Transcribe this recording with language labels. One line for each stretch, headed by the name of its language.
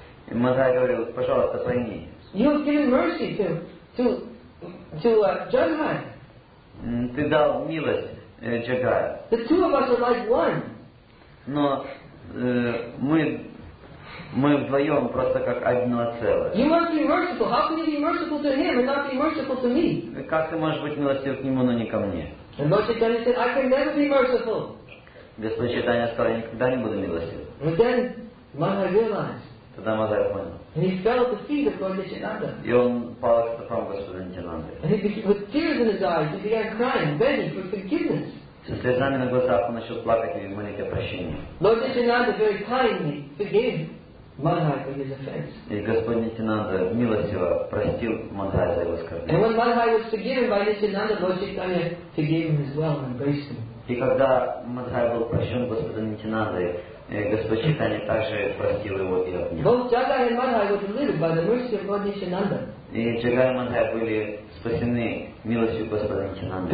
Russian: И Мадхай говорил, пожалуйста, пойми.
English: You have given mercy to Jagai.
Russian: Ты дал милость Джагая.
English: The two of us are like one.
Russian: Но мы вдвоем просто как одно целое.
English: You must be merciful. How can you be merciful to him and not be merciful to me?
Russian: Как ты можешь быть милостив к нему, но не ко мне?
English: And Lord Chaitanya said, I can never be merciful.
Russian: Господь Чайтанья сказал, я никогда не буду милостив.
English: But then Madhai realized.
Russian: Тогда Мадхай понял.
English: And he fell at the feet of Lord Nityananda.
Russian: И он пал к стопам Господа Нитянанды.
English: And he became, with tears in his eyes, he began crying, begging for forgiveness.
Russian: Со слезами на глазах он начал плакать и молить о прощении.
English: Lord Nityananda very kindly forgave Madhai for his offense.
Russian: И Господь Нитянанда милостиво простил Мадхай за его оскорбление.
English: And when Madhai was forgiven by Nityananda, Lord Chaitanya forgave him as well and embraced him.
Russian: И когда Мадхай был прощен Господом Нитянандой, Господь Чайтанья также простил его и обнял. И Джагай и Мадхай были спасены милостью Господа Нитянанды.